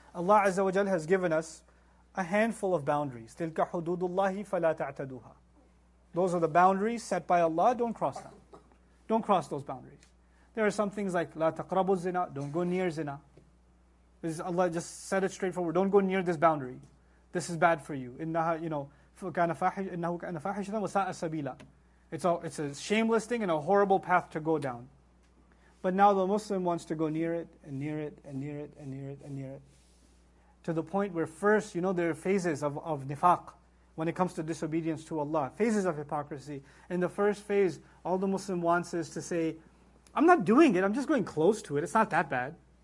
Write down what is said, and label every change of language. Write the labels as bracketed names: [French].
[English] Allah Azza wa Jal has given us a handful of boundaries. [Arabic] تِلْكَ حُدُودُ اللَّهِ فَلَا تَعْتَدُوهَا. [English] Those are the boundaries set by Allah. Don't cross them. Don't cross those boundaries. There are some things like [Arabic] لا تقربوا الزنا. [English] Don't go near zina. This is Allah just said it straightforward. Don't go near this boundary. This is bad for you. [Arabic] إِنَّهَا, [English] you know, [Arabic] إِنَّهُ كَانَ فَاحِشَةً وَسَاءَ سَبِيلًا. [English] It's a shameless thing and a horrible path to go down. But now the Muslim wants to go near it and near it and near it and near it and near it. To the point where first, you know, there are phases of nifaq when it comes to disobedience to Allah. Phases of hypocrisy. In the first phase, all the Muslim wants is to say, I'm not doing it, I'm just going close to it. It's not that bad.